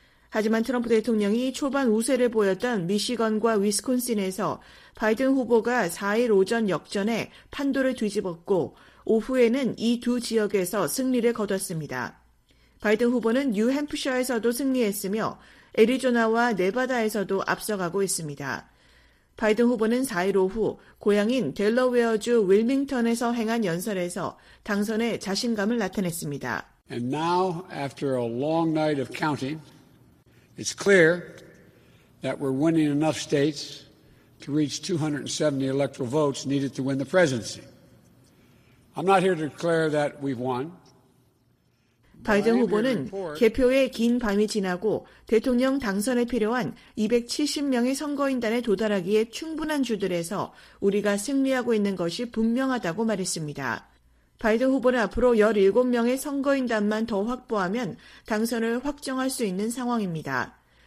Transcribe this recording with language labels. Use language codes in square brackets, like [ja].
[ko] 하지만 트럼프 대통령이 초반 우세를 보였던 미시건과 위스콘신에서 바이든 후보가 4일 오전 역전에 판도를 뒤집었고, 오후에는 이 두 지역에서 승리를 거뒀습니다. 바이든 후보는 뉴햄프셔에서도 승리했으며 애리조나와 네바다에서도 앞서가고 있습니다. 바이든 후보는 4일 오후 고향인 델러웨어주 윌밍턴에서 행한 연설에서 당선에 자신감을 나타냈습니다. [en] And now, after a long night of counting, it's clear that we're winning enough states to reach 270 electoral votes needed to win the presidency. I'm not here to declare that we've won. [ko] 바이든 후보는 개표의 긴 밤이 지나고 대통령 당선에 필요한 270명의 선거인단에 도달하기에 충분한 주들에서 우리가 승리하고 있는 것이 분명하다고 말했습니다. 바이든 후보는 앞으로 17명의 선거인단만 더 확보하면 당선을 확정할 수 있는 상황입니다.